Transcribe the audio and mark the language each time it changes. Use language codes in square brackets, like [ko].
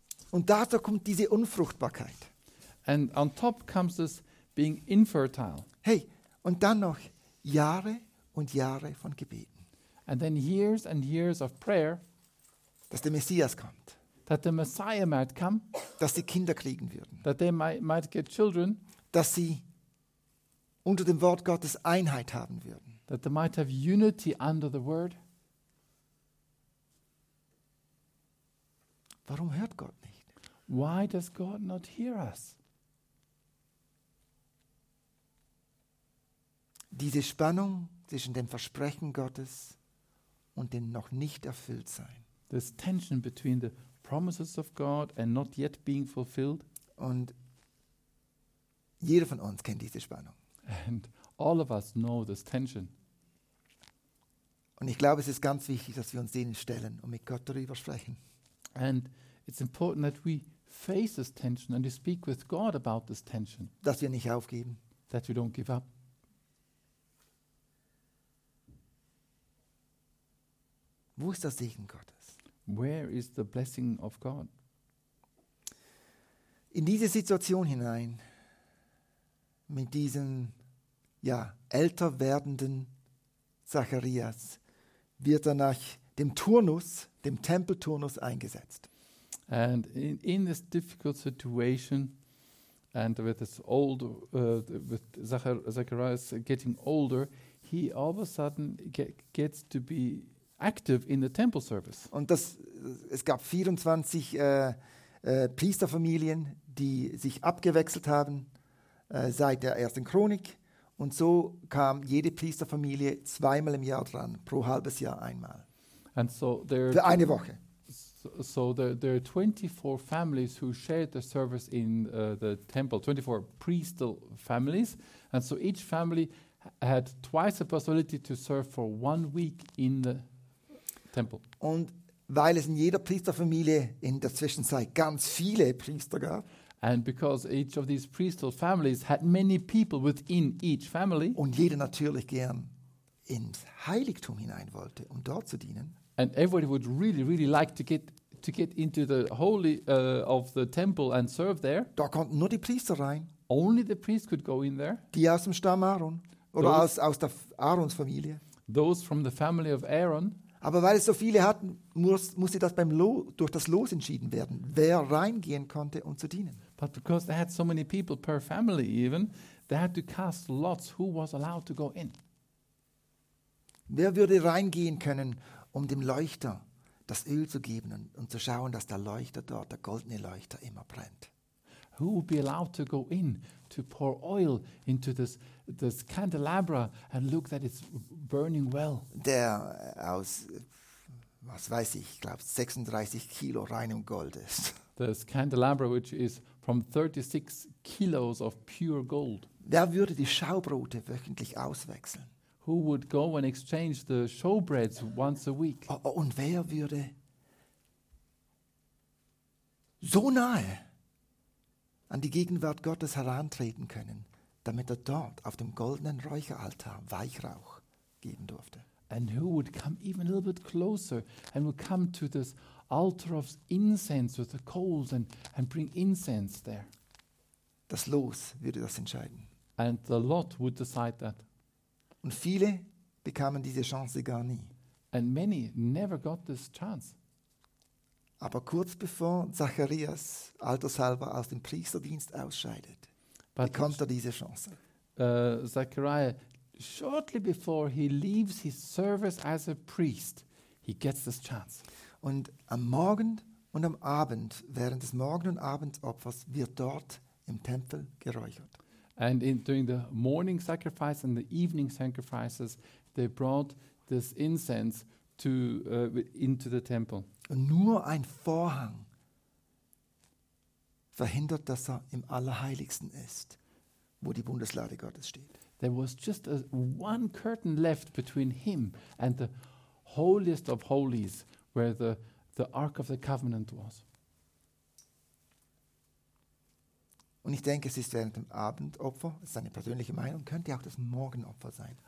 [de] Und dazu kommt diese Unfruchtbarkeit. [en] And on top comes this being infertile. [de] Hey, und dann noch Jahre und Jahre von Gebeten. [en] And then years and years of prayer. [de] Dass der Messias kommt. [en] That the Messiah might come. [de] Dass sie Kinder kriegen würden. [en] That they might get children. [de] Dass sie unter dem Wort Gottes Einheit haben würden. [en] That they might have unity under the word. [de] Warum hört Gott nicht? [en] Why does God not hear us? [de] Diese Spannung zwischen dem Versprechen Gottes und dem noch nicht erfüllt sein. [en] This tension between the promises of God and not yet being fulfilled. [de] Und jeder von uns kennt diese Spannung. [en] And all of us know this tension. [de] Und ich glaube, es ist ganz wichtig, dass wir uns denen stellen und mit Gott darüber sprechen. [en] And it's important that we face this tension and to speak with God about this tension. [de] Dass wir nicht aufgeben. [en] That we don't give up. [de] Wo ist der Segen Gottes? [en] Where is the blessing of God? [de] In diese Situation hinein, mit diesem älter werdenden Zacharias, wird er nach dem Turnus, dem Tempelturnus eingesetzt. [en] And in this difficult situation, and with this old, with Zacharias getting older, he all of a sudden gets to be active in the temple service. [de] Und das, es gab 24 Priesterfamilien, die sich abgewechselt haben seit der ersten Chronik. Und so kam jede Priesterfamilie zweimal im Jahr dran, pro halbes Jahr einmal. [en] And so there [de] für eine Woche. [en] So there are 24 families who shared the service in the temple, 24 priestly families. And so each family had twice the possibility to serve for 1 week in the temple. [de] Und weil es in jeder Priesterfamilie in der Zwischenzeit ganz viele Priester gab. [en] And because each of these priestly families had many people within each family. [de] Und jeder natürlich gern ins Heiligtum hinein wollte, um dort zu dienen. [en] And everybody would really, really like to get into the holy of the temple and serve there. [de] Da konnten nur die Priester rein. [en] Only the priests could go in there. [de] Die aus dem Stamm Aaron. Oder aus der Aarons Familie. [en] Those from the family of Aaron. [de] Aber weil es so viele hatten, musste das durch das Los entschieden werden, wer reingehen konnte, um zu dienen. [en] But because they had so many people per family even, they had to cast lots who was allowed to go in. [de] Wer würde reingehen können, um dem Leuchter das Öl zu geben und zu schauen, dass der Leuchter dort, der goldene Leuchter, immer brennt? [en] Who will be allowed to go in to pour oil into this candelabra and look that it's burning well? [de] Der aus, was weiß ich, glaube 36 Kilo reinem Gold ist. [en] This candelabra, which is from 36 kilos of pure gold. [de] Wer würde die Schaubrote wöchentlich auswechseln? [en] Who would go and exchange the showbreads once a week? [de] Und wer würde so nahe an die Gegenwart Gottes herantreten können, damit er dort auf dem goldenen Räucheraltar Weihrauch geben durfte? [en] And who would come even a little bit closer and would come to this altar of incense with the coals and bring incense there? [de] Das Los würde das entscheiden. [en] And the lot would decide that. [de] Und viele bekamen diese Chance gar nie. [en] And many never got this chance. [de] Aber kurz bevor Zacharias altershalber aus dem Priesterdienst ausscheidet, but bekommt er diese Chance. [en] Zachariah, shortly before he leaves his service as a priest, he gets this chance. [de] Und am Morgen und am Abend, während des Morgen- und Abendopfers, wird dort im Tempel geräuchert. [en] And in during the morning sacrifice and the evening sacrifices, they brought this incense to into the temple. [de] Und nur ein Vorhang verhindert, dass er im Allerheiligsten ist, wo die Bundeslade Gottes steht. [en] There was just one curtain left between him and the holiest of holies, where the Ark of the Covenant was. [de] Und ich denke, es ist während dem Abendopfer, das ist eine persönliche Meinung, könnte auch das Morgenopfer sein.